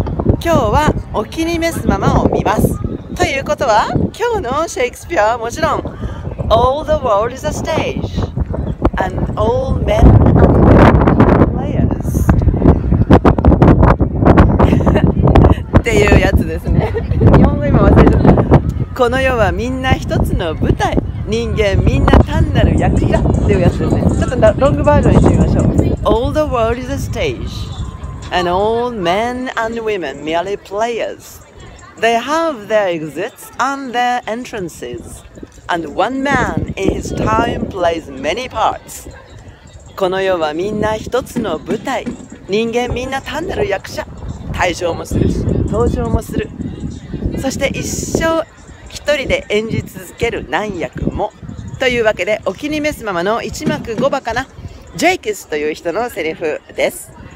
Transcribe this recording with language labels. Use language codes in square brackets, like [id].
[ja] 今日はお気に召すままを見ます。ということは今日のシェイクスピアはもちろん [en] All the world is a stage and all men are players [ja] っていうやつですね。日本語今忘れちゃった。この世はみんな一つの舞台、人間みんな単なる役者っていうやつですね。ちょっとロングバージョンにしてみましょう。 [en] All the world is a stage and all men and women merely players. They have their exits and their entrances. And one man in his time plays many parts. [ja] この世はみんな一つの舞台、人間みんな単なる役者、大賞もするし登場もする、そして一生一人で演じ続ける何役も。というわけでお気に召すままの1幕5話かな、ジェイキスという人のセリフです。